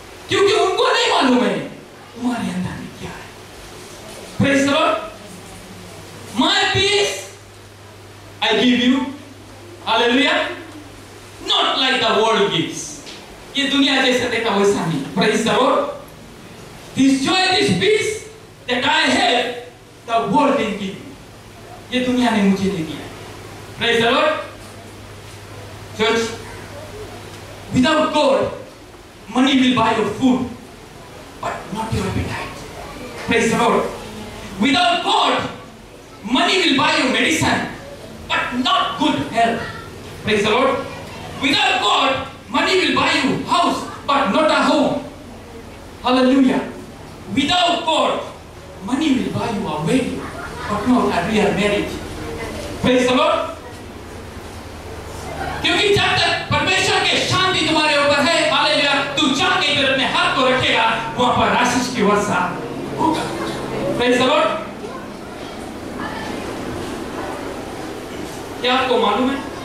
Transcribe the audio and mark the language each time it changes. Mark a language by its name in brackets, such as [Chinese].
[Hindi] क्योंकि उनको नहीं मालूम है तुम्हारे अंदर में क्या है [English] praise the Lord my peace I give you hallelujah not like the world gives [Hindi] ये दुनिया जैसा देखा वैसा नहीं [English] Praise the Lord This joy, this peace that I have, the world didn't give me. [Hindi] ये दुनिया ने मुझे नहीं दिया. [English] Praise the Lord. Church, without God, money will buy your food, but not your appetite. Praise the Lord. Without God, money will buy your medicine, but not good health. Praise the Lord. Without God, money will buy you house, but not a home. Hallelujah. Without God, money will buy you a wedding, but not a real marriage. Praise the Lord. [Hindi] क्योंकि जब तक परमेश्वर के शांति तुम्हारे ऊपर है, hallelujah, तू जाके इधर अपने हाथ को रखेगा, वहाँ पर आशीष की वर्षा होगा. [English] Praise the Lord. [Hindi] क्या आपको मालूम है?